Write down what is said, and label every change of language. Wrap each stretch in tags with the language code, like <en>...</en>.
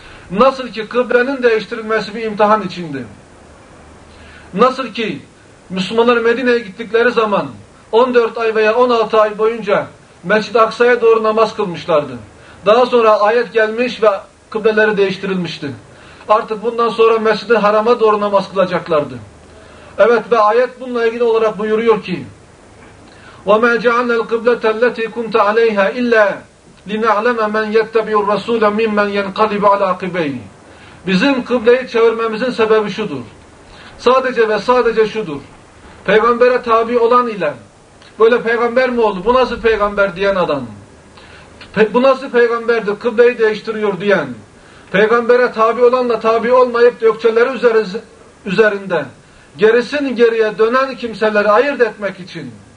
<tr>Nasıl ki kıblenin değiştirilmesi bir imtihan içindi. Nasıl ki Müslümanlar Medine'ye gittikleri zaman 14 ay veya 16 ay boyunca Mescid-i Aksa'ya doğru namaz kılmışlardı. Daha sonra ayet gelmiş ve kıbleleri değiştirilmişti. Artık bundan sonra Mescid-i Haram'a doğru namaz kılacaklardı. Evet ve ayet bununla ilgili olarak buyuruyor ki</tr> <ar>وَمَا جَعَلْنَا الْقِبْلَةَ الَّتِي كُمْتَ عَلَيْهَا اِلَّا لِنَعْلَمَ مَنْ يَتَّبِعُ الرَّسُولَ مِمَّنْ يَنْقَلِبُ عَلَى عَقِبَيْهِ.</ar> <tr>Bizim kıbleyi çevirmemizin sebebi şudur. Sadece ve sadece şudur. Peygambere tabi olan ile böyle peygamber mi oldu? Bu nasıl peygamber diyen adam? Bu nasıl peygamberdi? Kıbleyi değiştiriyor diyen. Peygambere tabi olanla tabi olmayıp gökçeleri üzerinde gerisin geriye dönen kimseleri ayırt etmek için.</tr>